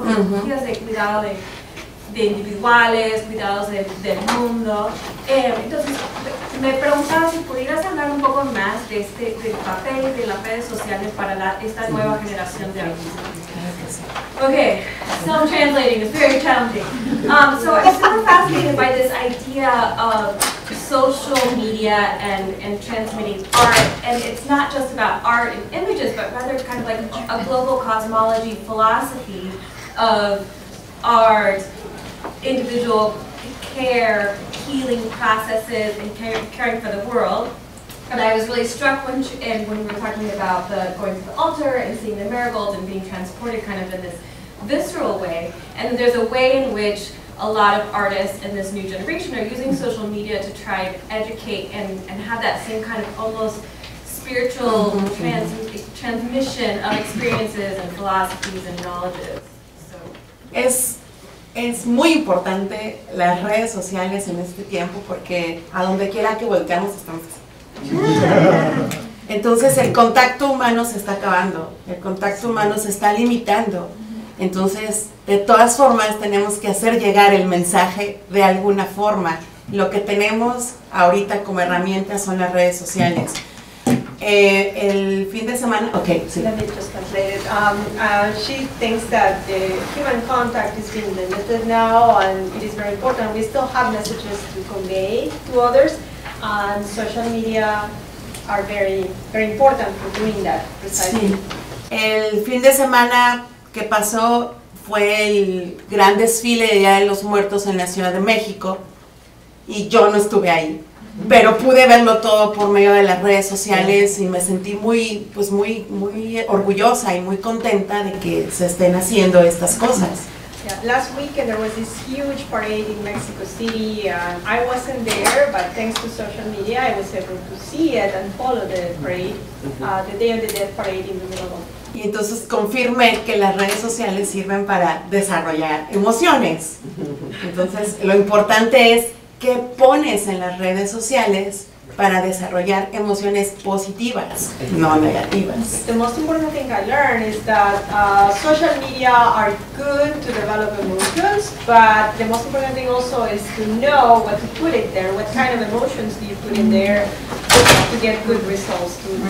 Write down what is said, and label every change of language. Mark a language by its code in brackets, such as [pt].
[es] Filosofías de cuidado de individuales, cuidados del mundo. Entonces, me preguntaba si pudieras hablar un poco más de este del papel de las redes sociales para esta nueva generación de artistas. [en] Okay, so I'm translating, it's very challenging. So I'm super fascinated by this idea of social media and transmitting art, and it's not just about art and images, but rather kind of like a global cosmology philosophy of art, individual care, healing processes, and caring for the world. And I was really struck when we were talking about the going to the altar and seeing the marigolds and being transported kind of in this visceral way. And there's a way in which a lot of artists in this new generation are using social media to try to educate and have that same kind of almost spiritual transmission of experiences and philosophies and knowledges. So. [es] Es muy importante las redes sociales en este tiempo porque a donde quiera que volteamos estamos. Entonces el contacto humano se está acabando, el contacto humano se está limitando. Entonces, de todas formas, tenemos que hacer llegar el mensaje de alguna forma. Lo que tenemos ahorita como herramienta son las redes sociales. El fin de semana, okay. [en] Sí. Let me just translate it. She thinks that the human contact is being limited now, and it is very important. We still have messages to convey to others, and social media are very, very important for doing that. Precisely. [es] Sí. El fin de semana que pasó fue el gran desfile de Día de los Muertos en la Ciudad de México, y yo no estuve ahí. Pero pude verlo todo por medio de las redes sociales y me sentí muy orgullosa y muy contenta de que se estén haciendo estas cosas. [en] Yeah, last weekend there was this huge parade in Mexico City, and I wasn't there, but thanks to social media, I was able to see it and follow the parade, the Day of the Dead parade in the middle of. [es] Y entonces confirmé que las redes sociales sirven para desarrollar emociones. Entonces, lo importante es qué pones en las redes sociales para desarrollar emociones positivas, no negativas. [en] The most important thing I learned is that social media are good to develop emotions, but the most important thing also is to know what to put it there, what kind of emotions do you put in there to get good results.